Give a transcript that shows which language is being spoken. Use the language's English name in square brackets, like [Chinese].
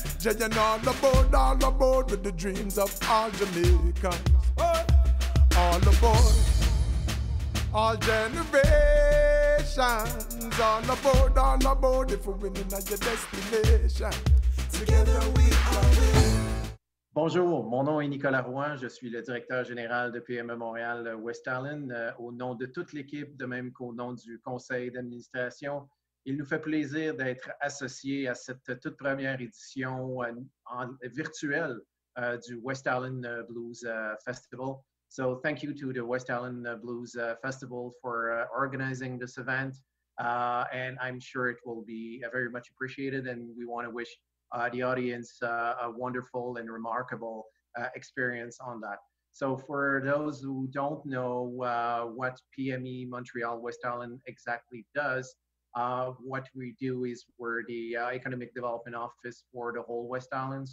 [English] Jay and all aboard with the dreams of all Jamaicans. Oh. All aboard, all generations. All aboard if we're winning at your destination. Together we are winning. [French] Bonjour, mon nom est Nicolas Rouen, je suis le directeur général de PME Montréal West Island. Au nom de toute l'équipe, de même qu'au nom du conseil d'administration, il nous fait plaisir d'être associés à cette toute première édition virtuelle du West Island Blues Festival. [English] So thank you to the West Island Blues Festival for organizing this event. And I'm sure it will be very much appreciated, and we want to wish the audience a wonderful and remarkable experience on that. So for those who don't know what PME Montreal West Island exactly does, what we do is we're the economic development office for the whole West Island.